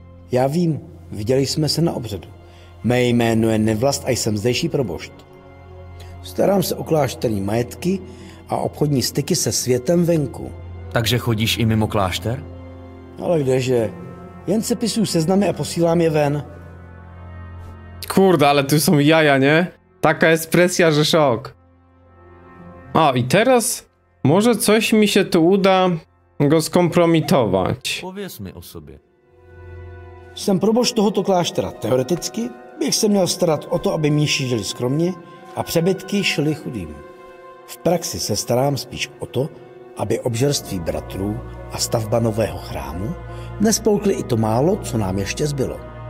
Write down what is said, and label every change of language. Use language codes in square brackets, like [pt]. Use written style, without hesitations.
[cs] Já vím, viděli jsme se na obřadu. Mé jméno je Nevlas a jsem zdejší probošt. Starám se o klášterní majetky a obchodní styky se světem venku. Takže chodíš i mimo klášter? Ale kdeže? Jen sepisuju seznamy a posílám je ven. [pl] Kurde, ale tu jsou jaja, nie? Taka jest presja, że szok. A i teraz może coś mi się tu uda go skompromitować. Powiedzmy o sobie. [cs] Jsem proboš tohoto kláštera. Teoreticky bych se měl starat o to, aby mniši žili skromně a přebytky šly chudým. V praxi se starám spíš o to, aby obžerství bratrů a stavba nového chrámu nespolkli i to málo, co nám ještě zbylo.